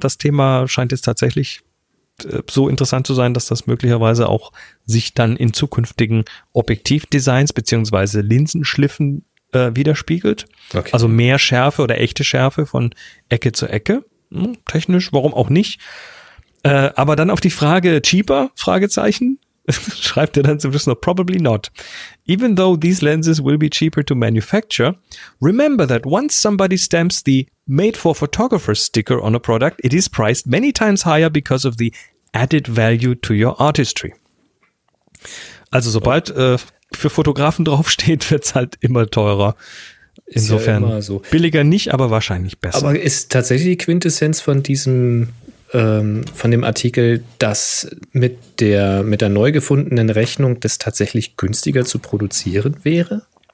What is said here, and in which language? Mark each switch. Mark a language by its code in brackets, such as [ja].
[de] Das Thema scheint jetzt tatsächlich so interessant zu sein, dass das möglicherweise auch sich dann in zukünftigen Objektivdesigns beziehungsweise Linsenschliffen widerspiegelt. Okay. Also mehr Schärfe oder echte Schärfe von Ecke zu Ecke. Technisch, warum auch nicht? Aber dann auf die Frage cheaper? Fragezeichen. Schreibt er dann zum Schluss noch, [en] probably not. Even though these lenses will be cheaper to manufacture, remember that once somebody stamps the made for photographers sticker on a product, it is priced many times higher because of the added value to your artistry. [de] Also sobald für Fotografen draufsteht, wird es halt immer teurer. Insofern ist ja immer so. Billiger nicht, aber wahrscheinlich besser. Aber ist tatsächlich die Quintessenz von diesem von dem Artikel, dass mit der neu gefundenen Rechnung das tatsächlich günstiger zu produzieren wäre?